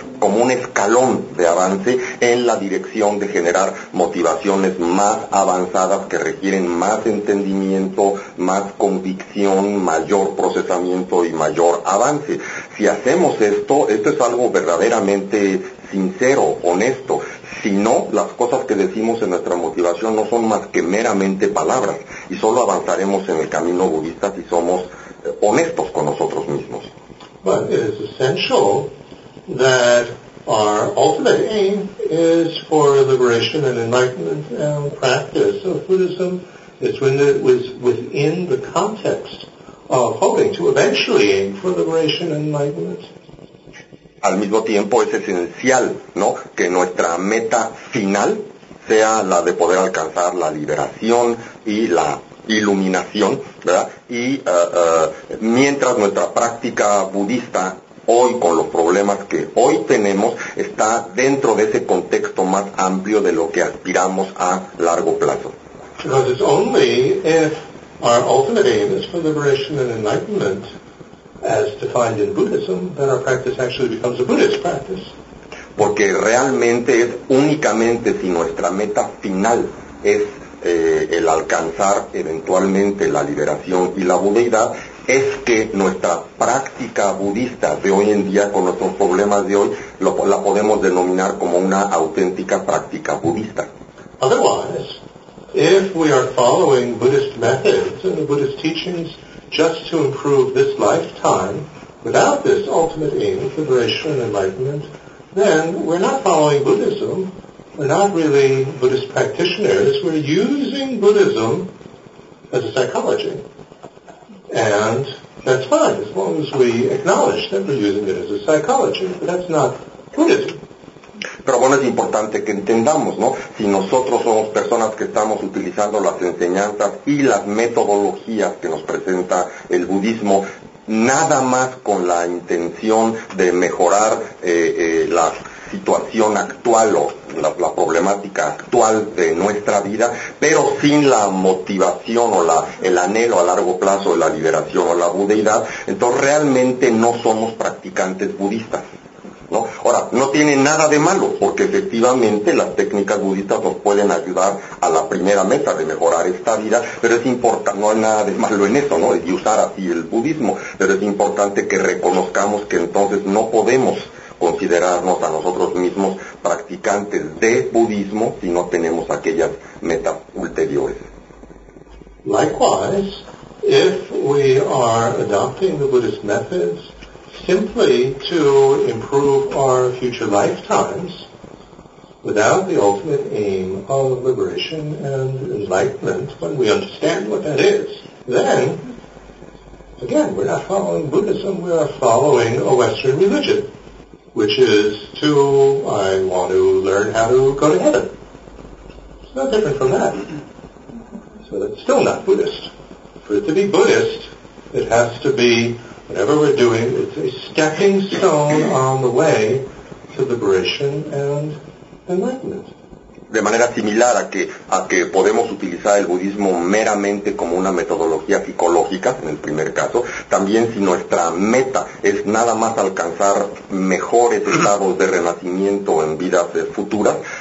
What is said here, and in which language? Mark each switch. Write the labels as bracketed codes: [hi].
[es] como un escalón de avance en la dirección de generar motivaciones más avanzadas que requieren más entendimiento, más convicción, mayor procesamiento y mayor avance. Si hacemos esto, esto es algo verdaderamente sincero, honesto. Si no, las cosas que decimos en nuestra motivación no son más que meramente palabras y solo avanzaremos en el camino budista si somos honestos con nosotros mismos. [en] But it is essential that our ultimate aim is for liberation and enlightenment and practice of Buddhism. It's when it was within the context of hoping to eventually aim for liberation and enlightenment. [es] Al mismo tiempo es esencial, ¿no?, que nuestra meta final sea la de poder alcanzar la liberación y la iluminación, ¿verdad? Y mientras nuestra práctica budista hoy, con los problemas que hoy tenemos, está dentro de ese contexto más amplio de lo que aspiramos a largo plazo. [en] Because it's only if our ultimate aim is for liberation and enlightenment, as defined in Buddhism, that our practice actually becomes a Buddhist practice. [es] Porque realmente es únicamente si nuestra meta final es el alcanzar eventualmente la liberación y la budeidad, es que nuestra práctica budista de hoy en día con nuestros problemas de hoy la podemos denominar como una auténtica práctica budista. [en] Otherwise, if we are following Buddhist methods and the Buddhist teachings just to improve this lifetime without this ultimate aim of liberation and enlightenment, then we're not following Buddhism. We're not really Buddhist practitioners, we're using Buddhism as a psychology. And that's fine, as long as we acknowledge that we're using it as a psychology, but that's not Buddhism. [es] Pero bueno, es importante que entendamos, ¿no? Si nosotros somos personas que estamos utilizando las enseñanzas y las metodologías que nos presenta el budismo nada más con la intención de mejorar la situación actual o la problemática actual de nuestra vida, pero sin la motivación o el anhelo a largo plazo de la liberación o la budeidad, entonces realmente no somos practicantes budistas, ¿no? Ahora, no tiene nada de malo, porque efectivamente las técnicas budistas nos pueden ayudar a la primera meta de mejorar esta vida, pero es importante, no hay nada de malo en eso, ¿no? Y usar así el budismo, pero es importante que reconozcamos que entonces no podemos considerarnos a nosotros mismos practicantes de budismo si no tenemos aquellas metas ulteriores. [en] Likewise, if we are adopting the Buddhist methods simply to improve our future lifetimes without the ultimate aim of liberation and enlightenment, when we understand what that is, then, again, we're not following Buddhism, we are following a Western religion, which is to, I want to learn how to go to heaven. It's no different from that. So it's still not Buddhist. For it to be Buddhist, it has to be, whatever we're doing, it's a stepping stone on the way to liberation and [es] De manera similar a que podemos utilizar el budismo meramente como una metodología psicológica, en el primer caso, también si nuestra meta es nada más alcanzar mejores estados de renacimiento en vidas futuras,